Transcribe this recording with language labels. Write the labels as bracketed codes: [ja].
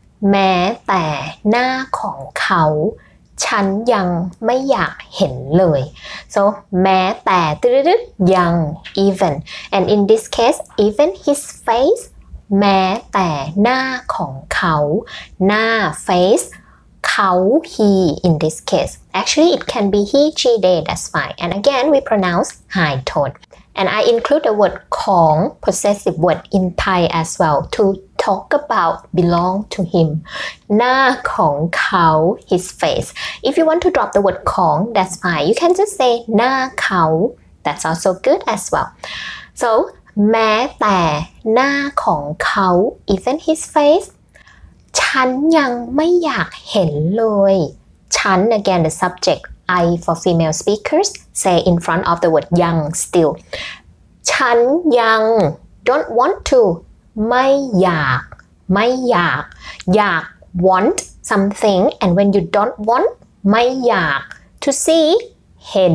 [th] แม้แต่หน้าของเขาฉันยังไม่อยากเห็นเลย [en] So, [th] แม้แต่ยัง even. [en] And in this case, even his face, [th] แม้แต่หน้าของเขาหน้า [en] face, เขา he in this case. Actually, it can be he, she, they, that's fine. And again, we pronounce high tone. And I include the word ของ possessive word in Thai as well to talk about belong to him. [th] หน้าของเขา [en] his face. If you want to drop the word ของ that's fine. You can just say [th] หน้าเขา [en] that's also good as well. So [th] แม้แต่หน้าของเขา [en] even his face. [th] ฉันยังไม่อยากเห็นเลย. ฉัน [en] again the subject. I for female speakers say in front of the word young still ฉันยัง don't want to [th] ไม่อยากไม่อยากอยาก [en] want something and when you don't want ไม่อยาก to see เ